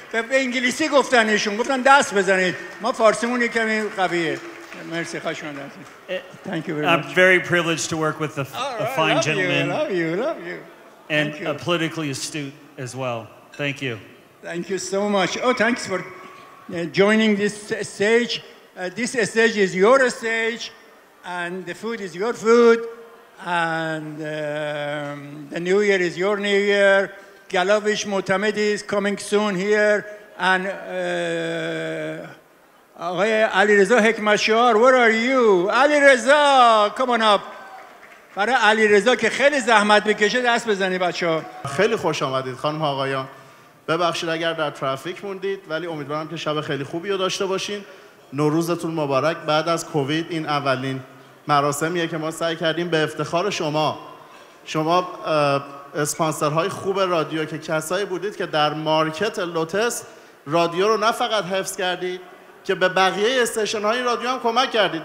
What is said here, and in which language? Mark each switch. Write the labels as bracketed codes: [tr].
[fa] به انگلیسی گفتن ایشون، گفتن دست بزنید. ما فارسیمون یه کمی قویه. مرسی، خواهش می‌کنم. [en] Thank you very much. I'm very privileged to work with a fine gentleman. Love you. And a politically astute as well. Thank you. Thank you so much. Oh, thanks for joining this stage. This stage is your stage, and the food is your food, and the new year is your new year. Galavish Mohtamed is coming soon here, and Alireza Hekmatshahar, where are you? Alireza, come on up. [fa] For Alireza, که خیلی زحمت بکشه دست بزنی بچه ها. خیلی خوش آمدید خانم ها آقایان. ببخشید اگر در ترافیک موندید، ولی امیدوارم که شب خیلی خوبی رو داشته باشین. نوروزتون مبارک. بعد از کووید این اولین مراسمیه که ما سعی کردیم به افتخار شما اسپانسرهای خوب رادیو که کسایی بودید که در مارکت لوتس رادیو رو نه فقط حفظ کردید که به بقیه استیشن‌های رادیو هم کمک کردید.